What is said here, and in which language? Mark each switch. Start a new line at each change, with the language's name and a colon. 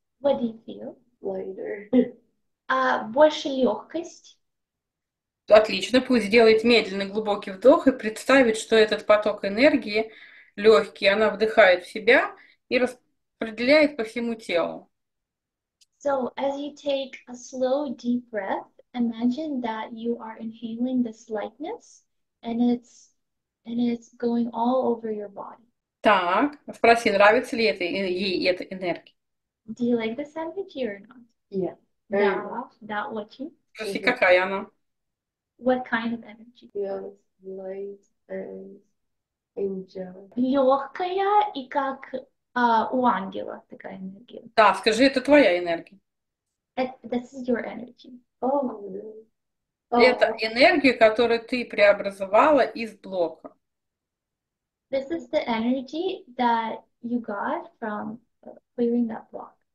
English: What do you feel? Lighter.
Russian: Больше легкость. Отлично, пусть сделает медленный глубокий вдох и представит, что этот поток энергии легкий, она вдыхает в себя и распределяет по всему телу.
English: So, as you take a slow, deep breath, imagine that you are inhaling this lightness and it's going all over your body.
Russian: Так, спроси, нравится ли это ей эта энергия.
English: Do you like this energy or not? Yeah. Да, that watching.
Russian: Спроси, какая она.
English: What kind of energy? Yeah, light and angel.
Russian: Легкая и как у ангела такая энергия. Да, скажи, это твоя энергия.
English: This is your energy. Oh.
Russian: Это энергия, которую ты преобразовала из блока.
English: This is the energy that you got from clearing that block.